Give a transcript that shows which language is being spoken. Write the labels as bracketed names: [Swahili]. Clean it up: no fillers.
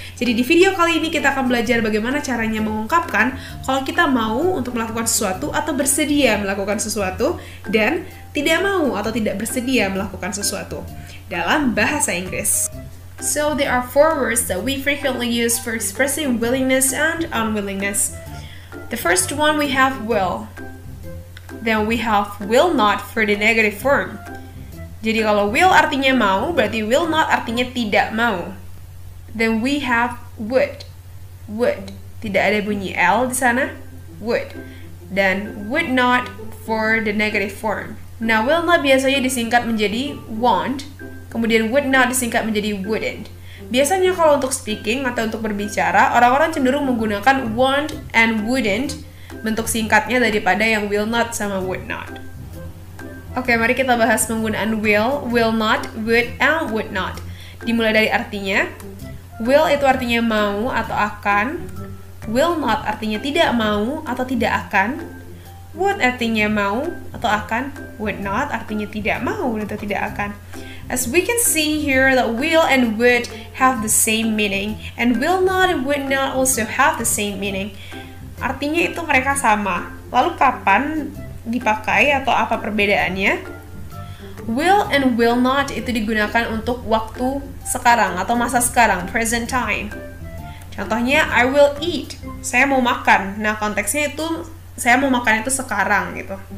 [Indonesian] Jadi di video kali ini kita akan belajar bagaimana caranya mengungkapkan kalau kita mau untuk melakukan sesuatu atau bersedia melakukan sesuatu, dan tidak mau atau tidak bersedia melakukan sesuatu dalam bahasa Inggris. [English] So there are four words that we frequently use for expressing willingness and unwillingness. The first one we have will. Then we have will not for the negative form. [Indonesian] Jadi kalau will artinya mau, berarti will not artinya tidak mau. [English] Then we have would. Would. [Indonesian] Tidak ada bunyi L di sana. [English] Would. Then would not for the negative form. Nah, will not [Indonesian] biasanya disingkat menjadi [English] won't. [Indonesian] Kemudian would not disingkat menjadi wouldn't. Biasanya kalau untuk speaking atau untuk berbicara, orang-orang cenderung menggunakan won't and wouldn't bentuk singkatnya daripada yang will not sama would not. Oke, mari kita bahas penggunaan will not, would, and would not. Dimulai dari artinya, will itu artinya mau atau akan, will not artinya tidak mau atau tidak akan, would artinya mau atau akan, would not artinya tidak mau atau tidak akan. [English] As we can see here that will and would have the same meaning, and will not and would not also have the same meaning. [Indonesian] Artinya itu mereka sama. Lalu kapan dipakai atau apa perbedaannya? Will and will not itu digunakan untuk waktu sekarang atau masa sekarang, present time. Contohnya, [English] I will eat. [Indonesian] Saya mau makan. Nah, konteksnya itu saya mau makan itu sekarang gitu.